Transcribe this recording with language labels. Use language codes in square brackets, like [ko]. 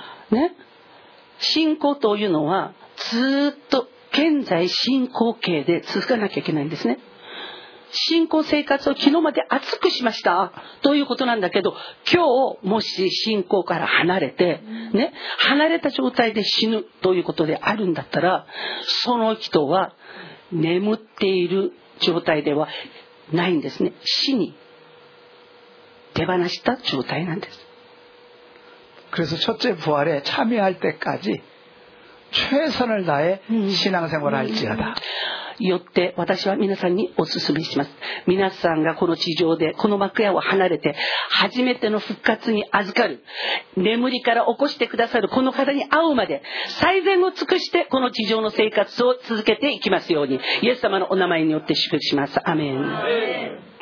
[ja] 네信仰というのはずっと現在進行形で続かなきゃいけないんですね信仰生活を昨日まで熱くしましたということなんだけど今日もし信仰から離れて、ね、離れた状態で死ぬということであるんだったらその人は眠っている状態ではないんですね死に手放した状態なんです [ko] 그래서첫째부활에참여할때까지최선을다해신앙생활을할지어다 [ja] よって私は皆さんにお勧めします皆さんがこの地上でこの幕屋を離れて初めての復活に預かる眠りから起こしてくださるこの方に会うまで最善を尽くしてこの地上の生活を続けていきますようにイエス様のお名前によって祝福しますアメン